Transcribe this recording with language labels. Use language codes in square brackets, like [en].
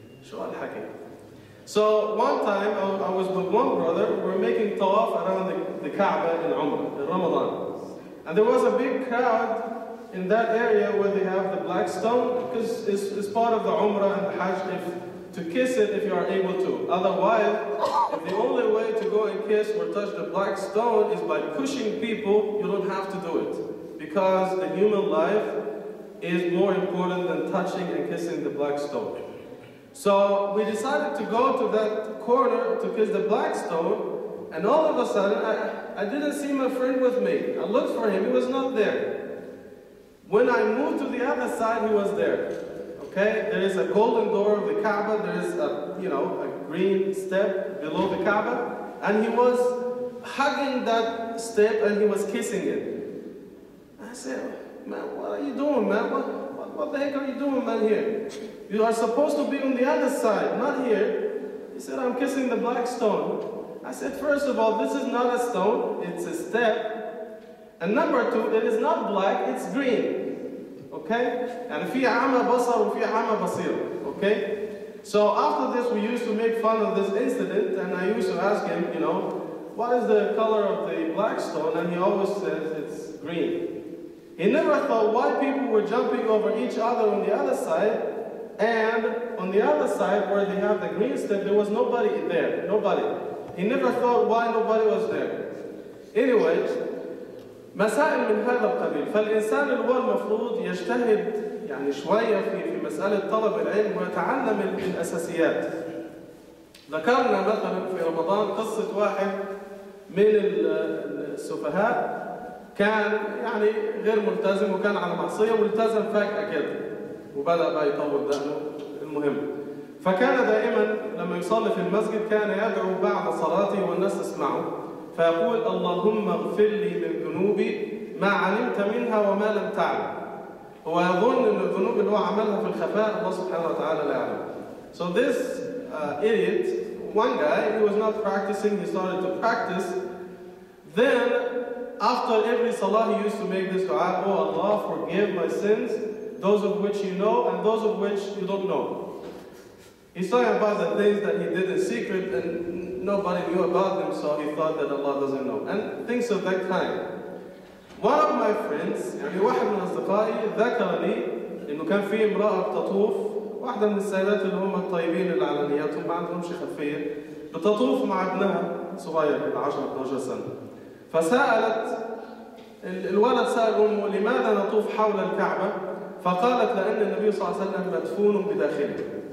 [ar] شو الحكي؟ [en] So one time I was with one brother we're making tawaf around the Kaaba in Umrah in Ramadan and there was a big crowd in that area where they have the black stone because it's part of the Umrah and the Hajj if to kiss it if you are able to. Otherwise, if the only way to go and kiss or touch the black stone is by pushing people, you don't have to do it. Because the human life is more important than touching and kissing the black stone. So we decided to go to that corner to kiss the black stone and all of a sudden, I didn't see my friend with me. I looked for him, he was not there. When I moved to the other side, he was there. Okay, there is a golden door of the Kaaba. There is a green step below the Kaaba, and he was hugging that step and he was kissing it. I said, "Man, what are you doing, man? What the heck are you doing, man? Here, you are supposed to be on the other side, not here." He said, "I'm kissing the black stone." I said, "First of all, this is not a stone; it's a step." And number two, it is not black, it's green. Okay? [ar] And في عمى بصر وفي عمى بصير. [en] Okay? So after this, we used to make fun of this incident, and I used to ask him, what is the color of the black stone? And he always says it's green. He never thought why people were jumping over each other on the other side, and on the other side where they have the green step, there was nobody there. Nobody. He never thought why nobody was there. Anyway, [ar] مسائل من هذا القبيل. فالإنسان اللي هو المفروض يجتهد يعني شوية في مسألة طلب العلم ويتعلم الأساسيات. ذكرنا مثلا في رمضان قصة واحد من السفهاء كان يعني غير ملتزم وكان على معصية والتزم فجأة كده وبدأ بقى يطور دقنه. المهم فكان دائما لما يصلي في المسجد كان يدعو بعد صلاته والناس تسمعه فيقول: اللهم اغفر لي من ذنوبي ما علمت منها وما لم تعلم. هو يظن ان الذنوب اللي هو عملها في الخفاء الله سبحانه وتعالى لا يعلم. [en] So this idiot, one guy, he was not practicing, he started to practice. Then, after every salah, he used to make this dua: Oh Allah, forgive my sins, those of which you know and those of which you don't know. He's talking about the things that he did in secret and nobody knew about them, so he thought that Allah doesn't know. And things of that kind. One of my friends, [ar] يعني واحد من أصدقائي ذكرني إنه كان في امرأة بتطوف, واحدة من السيدات اللي هم الطيبين العلنيات وما عندهمش خلفية, بتطوف مع ابنها صغير 10-12 سنة. فسألت الولد, سأل أمه: لماذا نطوف حول الكعبة؟ فقالت: لأن النبي صلى الله عليه وسلم مدفون بداخله.